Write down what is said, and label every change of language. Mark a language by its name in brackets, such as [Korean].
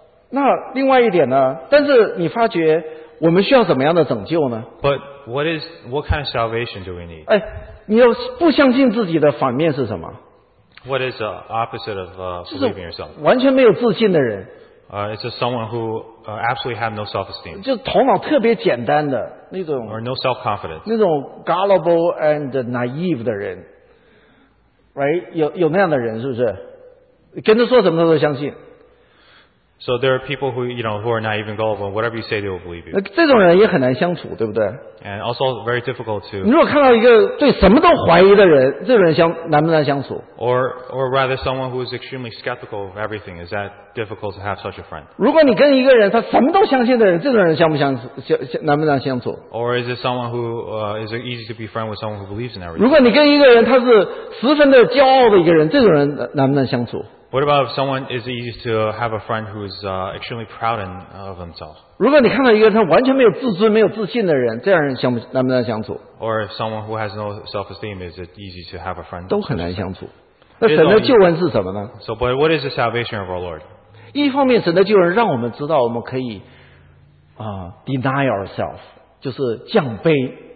[Chinese] 那另外一点呢,但是你发觉我们需要怎么样的拯救呢? [English] But what kind of salvation do we need? [Chinese] 哎, 你不相信自己的反面是什么? [English] What is the opposite of believing yourself? [Chinese] 完全没有自信的人, [English] it's just someone who absolutely have no self-esteem. [Chinese] 就头脑特别简单的, 那种, [English] or no self-confidence. [Chinese] 那种 [English] gullible and naive [Chinese] 的人, [English] right? [Chinese] 有那样的人是不是?跟着说什么都相信。 [English] So there are people who, you know, who are not even gullible, and whatever you say, they will believe you. [Chinese] 这种人也很难相处, 对不对? [English] And also very difficult to. [Chinese] 如果看到一个对什么都怀疑的人, 这种人相, 难不难相处? [English] Or rather, someone who is extremely skeptical of everything, is that difficult to have such a friend? [Chinese] 如果你跟一个人, 他什么都相信的人, 这种人相不相处? [English] Or is it someone who, is it easy to be friend with someone who believes in everything? [Chinese] 如果你跟一个人, 他是十分的骄傲的一个人, 这种人, 难不难相处? [English] What about if someone is easy to have a friend who is extremely proud of himself? [Chinese] 如果你看到一个他完全没有自尊、没有自信的人, 这样人相不难不难相处? [English] Or if someone who has no self-esteem, is it easy to have a friend? [Chinese] 都很难相处。那神的救恩是什么呢? [English] So, but what is the salvation of our Lord? [Chinese] 一方面神的救恩让我们知道我们可以 [English] deny ourselves, [Chinese] 就是降卑。